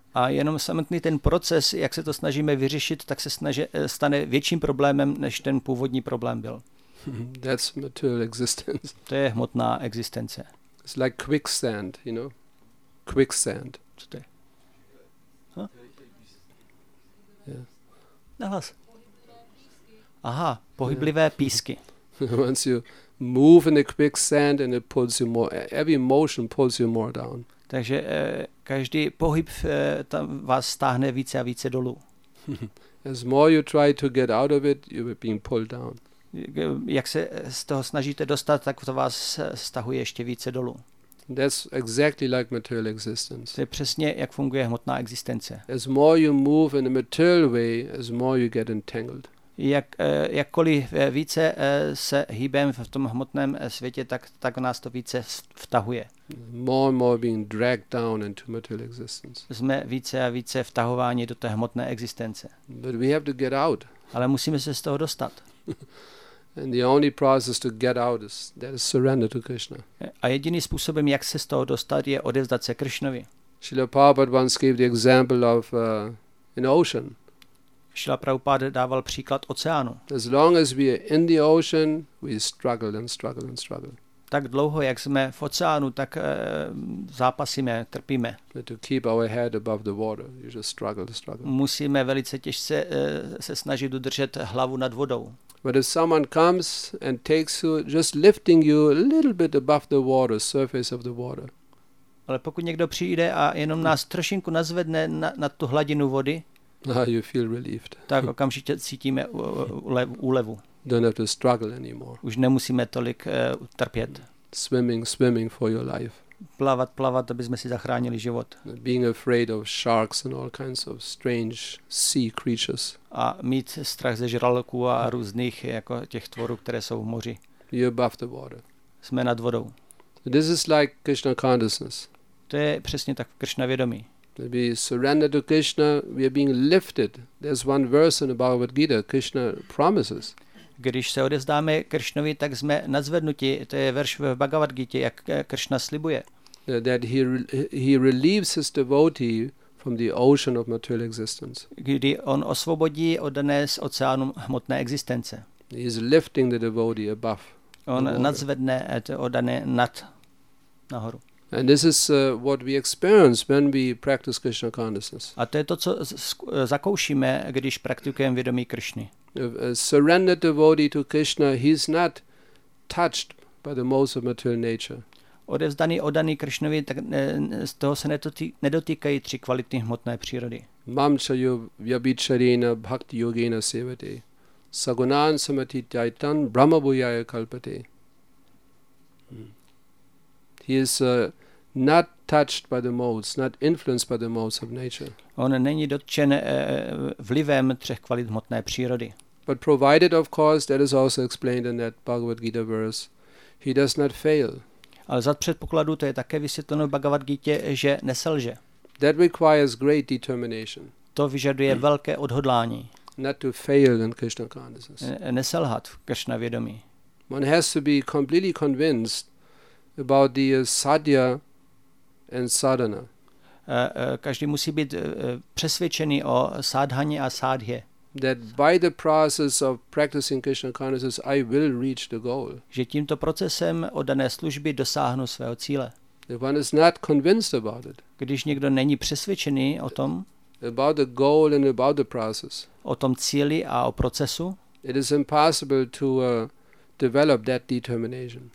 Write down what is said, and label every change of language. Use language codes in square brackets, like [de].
[cs] A jenom samotný ten proces, jak se to snažíme vyřešit, tak se stane větším problémem, než ten původní problém byl. [en] That's material existence. [cs] To je hmotná existence. [en] It's like quicksand, you know? Quicksand. [cs] Co to je? Yeah. Nahlas. Aha, pohyblivé písky. [en] Once you move in the quicksand and it pulls you more, every motion pulls you more down. [cs] Takže každý pohyb tam vás stáhne více a více dolů. [en] As more you try to get out of it, you're being pulled down. [cs] Jak se z toho snažíte dostat, tak to vás stahuje ještě více dolů. [en] That's exactly like material existence. [cs] To je přesně, jak funguje hmotná existence. [en] As more you move in a material way, as more you get entangled. [cs] Jakkoliv více se hýbem v tom hmotném světě, tak nás to více vtahuje. [en] More and more being dragged down into material existence. [cs] Jsme více a více vtahováni do té hmotné existence. [en] But we have to get out. [cs] Ale musíme se z toho dostat. [en] And the only process to get out is that is surrender to Krishna. [cs] A jediný způsobem, jak se z toho dostat, je odevzdat se Krishnovi. [en] Srila Prabhupada once gave the example of an ocean. [cs] Srila Prabhupada dával příklad oceánu. [en] As long as we are in the ocean, we struggle and struggle and struggle. [cs] Tak dlouho, jak jsme v oceánu, tak zápasíme, trpíme. [en] But to keep our head above the water, you just struggle, struggle. [cs] Musíme velice těžce se snažit udržet hlavu nad vodou. [en] But if someone comes and takes you, just lifting you a little bit above the water, surface of the water. [cs] Ale pokud někdo přijde a jenom nás trošinku nazvedne na tu hladinu vody, [en] you feel relieved. [cs] Tak okamžitě cítíme úlevu. [en] Don't have to struggle anymore. [cs] Už nemusíme tolik trpět. [en] Swimming for your life. [cs] Plavat, aby jsme si zachránili život. [en] Being afraid of sharks and all kinds of strange sea creatures. [cs] A mít strach ze žraloků a různých jako těch tvorů, které jsou v moři. [en] You're above the water. [cs] Jsme nad vodou. [en] This is like Krishna consciousness. [cs] To je přesně tak Krishna vědomí. [en] We surrender to Krishna, we are being lifted. There's one verse in the Bhagavad Gita, Krishna promises. [cs] Když se odevzdáme Kršnovi, tak jsme nazvednuti. To je verš v Bhagavad Gita, jak Kršna slibuje. [en] That he relieves his devotee from the ocean of material existence. [cs] Kdy on osvobodí oddané z oceánu hmotné existence. [en] He is lifting the devotee above. [cs] On nadzvedne oddané nad nahoru. [en] And this is what we experience when we practice Krishna consciousness. [cs] A to je to, co zakoušíme, když praktikujeme vědomí Kršny. [en] A surrendered devotee to Krishna, he's not touched by the most of material nature. [cs] Odevzdaný, oddaný Kršnovi, tak z toho se nedotýkají tři kvality hmotné přírody. [sa] Mamcha vyabhicharena bhakti yogena sevate sagunan samati jaitan brahmabhuyaya kalpate. [en] He is not touched by the modes, not influenced by the modes of nature. [cs] On není dotčen vlivem třech kvalit hmotné přírody. [en] But provided, of course, that is also explained in that Bhagavad Gita verse, he does not fail. [cs] Ale za předpokladu to je také vysvětleno v Bhagavad Gita, že neselže. [en] That requires great determination. [cs] To vyžaduje velké odhodlání. [en] Not to fail in Krishna consciousness. [cs] Neselhat v Krishna vědomí. [en] One has to be completely convinced about the sadhya and sadhana. [cs] Každý musí být přesvědčený o sadhaně a sadhě. [en] That by the process of practicing Krishna consciousness, I will reach the goal. [cs] Že tímto procesem oddané služby dosáhnu svého cíle. [en] If one is not convinced about it. [cs] Když někdo není přesvědčený o tom. [en] About the goal and about the process. [cs] O tom cíli a o procesu. [en] It is impossible to develop that determination.